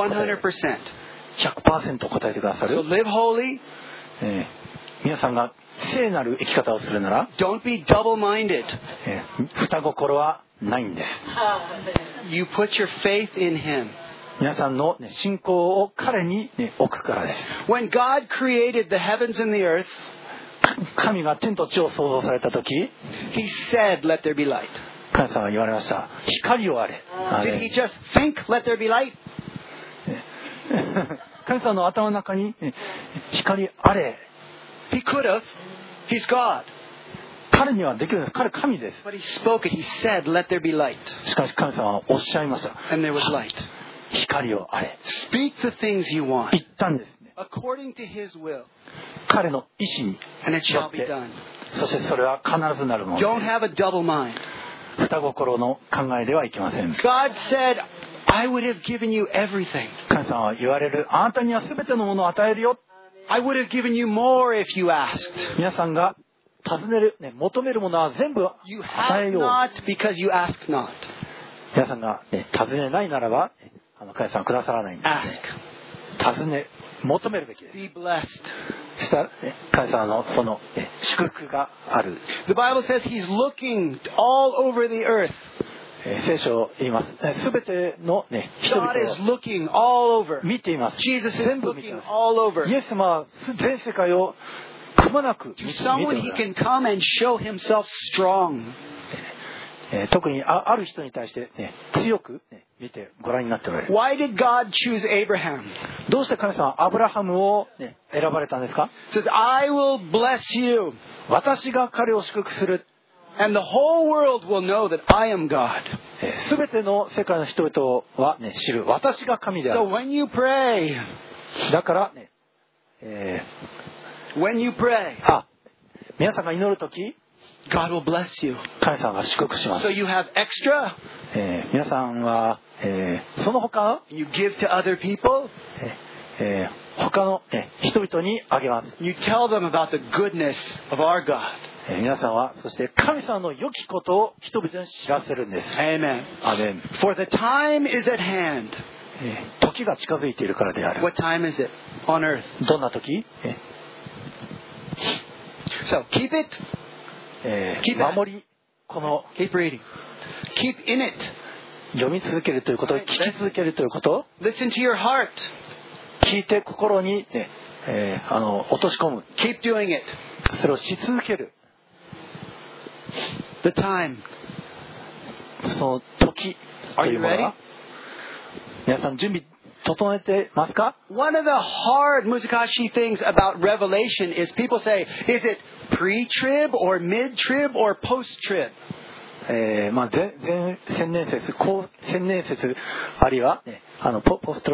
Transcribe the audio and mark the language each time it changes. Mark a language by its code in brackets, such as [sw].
[ja] 答えてくださる。 [en] So live holy. [ja] 皆さんが聖なる生き方をするなら、 [en] Don't be double-minded. [ja] 双心はないんです。 [en] You put your faith in Him. [ja] 皆さんの信仰を彼に置くからです。 [en] When God created the heavens and the earth, [ja] 神が天と地を創造されたとき、 [en] He said, "Let there be light." [ja] 神様は言われました。光をあれ。 [en] Did He just think, "Let there be light"? [ja] 神様の頭の中に光あれ。 [en] He could have. He's God. [ja] 彼にはできるんです。彼神です。 [en] But He spoke it. He said, "Let there be light." [ja] しかし神様はおっしゃいました。 [en] And there was light. [ja] 光をあれ。 [en] Speak the things you want. [ja] 言ったんですね。 [en] According to His will. [ja] 彼の意思に。 [en] And it shall be done. [ja] そしてそれは必ずなるもの。 [en] Don't have a double mind. [ja] 双心の考えではいけません。 [en] God said, I would have given you everything. [ja] 神様は言われる、あなたには全てのものを与えるよ。 [en] I would have given you more if you asked. [ja] 皆さんが尋ねる、ね、求めるものは全部与えよう。 [en] You have not because you ask not. [ja] 皆さんが、ね、尋ねないならば、神様くださらないんです、ね、尋ね求めるべきです。 [en] Be blessed. [ja] したら、ね、神様のその、ね、祝福がある。 [en] The Bible says he's looking all over the earth. [ja] 聖書を言います。すべての、ね、人々を [en] God is looking all over. [ja] 見ています。 [en] Jesus is looking all over. [ja] イエス様は全世界をくまなく見ています。 [en] To someone he can come and show himself strong. [ja] 特にある人に対して、ね、強く、ね、見てご覧になっておられる。 [en] Why did God choose Abraham? [ja] どうして神様はアブラハムを、ね、選ばれたんですか？ [en] Says, I will bless you. [ja] 私が彼を祝福する。 [en] And the whole world will know that I am God. [ja] 全ての世界の人々は、ね、知る。私が神である。 [en] So、when you pray, [ja] だから、ね、 [en] when you pray, [ja] 皆さんが祈るとき、 [en] God will bless you. [ja] 神様が祝福します。 [en] So you have extra. [ja] 皆さんは、その他を [en] you give to other people. [ja] 他の、人々にあげます。 [en] You tell them about the goodness of our God. [ja] 皆さんはそして神様の良きことを人々に知らせるんです。 [en] Amen. Amen. For the time is at hand. [ja] 時が近づいているからである。 [en] What time is it on earth? [ja] どんな時？ [en] So keep it. [ja] 守りこの [en] Keep reading. Keep in it. [ja] 読み続けるということ、聞き続けるということ、 [en] Listen to your heart. [ja] 聞いて心に、ね落とし込む。 [en] Keep doing it. [ja] それをし続ける。 [en] The time. [ja] その時というものは、皆さん準備整えてますか？ [en] One of the hard muzukashi things about Revelation is people say, is itpre-trib or mid-trib or post-trib、 [ja] まあ、前千年説後千年説あるいは、ね、ポスト、